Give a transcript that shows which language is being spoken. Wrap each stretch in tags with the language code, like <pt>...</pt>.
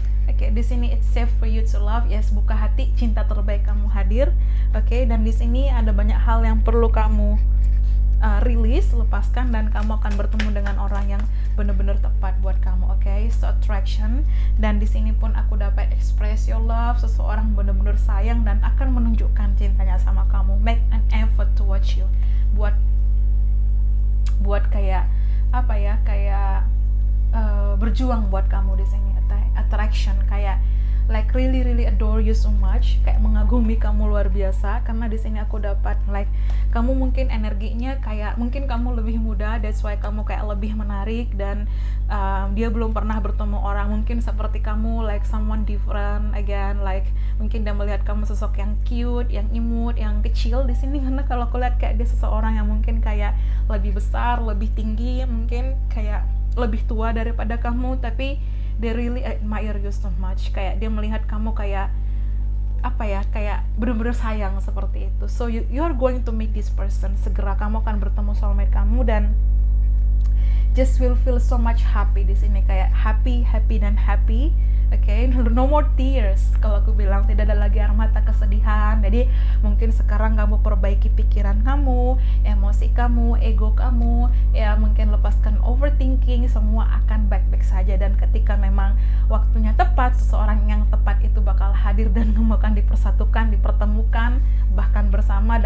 <id>Oke,</id> <en>okay,</en> <id>di sini</id> <en>it's safe for you to love.</en> <id>Yes, buka hati, cinta terbaik kamu hadir. Oke, okay? Dan di sini ada banyak hal yang perlu kamu rilis, lepaskan, dan kamu akan bertemu dengan orang yang benar-benar tepat buat kamu. Oke, okay?</id> <en>So attraction.</en> <id>Dan di sini pun aku dapat</id> <en>express your love,</en> <id>seseorang benar-benar sayang dan akan menunjukkan cintanya sama kamu.</id> <en>Make an effort towards you.</en> <id>Buat kayak apa ya? Kayak berjuang buat kamu di sini. Attraction kayak</id> <en>like really really adore you so much,</en> <id>kayak mengagumi kamu luar biasa, karena di sini aku dapat like kamu mungkin energinya kayak mungkin kamu lebih muda,</id> <en>that's why</en> <id>kamu kayak lebih menarik, dan dia belum pernah bertemu orang mungkin seperti kamu,</id> <en>like someone different again, like</en> <id>mungkin dia melihat kamu sosok yang</id> <en>cute,</en> <id>yang imut, yang kecil di sini, karena kalau aku lihat kayak dia seseorang yang mungkin kayak lebih besar, lebih tinggi, mungkin kayak lebih tua daripada kamu, tapi</id> <en>they really admire you so much.</en> <id>Kayak dia melihat kamu kayak apa ya, kayak benar-benar sayang seperti itu.</id> <en>So you are going to meet this person.</en> <id>Segera kamu akan bertemu soulmate kamu dan</id> <en>just will feel so much happy</en> <id>di sini. Kayak happy, happy dan happy.</id> <en>Okay, no more tears.</en> <id>Kalau aku bilang tidak ada lagi air mata kesedihan. Jadi mungkin sekarang kamu perbaiki pikiran kamu, emosi kamu, ego kamu. Ya mungkin lepaskan overthinking. Semua akan baik-baik saja. Dan ketika memang waktunya tepat, seseorang yang tepat itu bakal hadir dan kamu akan dipersatukan, dipertemukan, bahkan bersama.</id>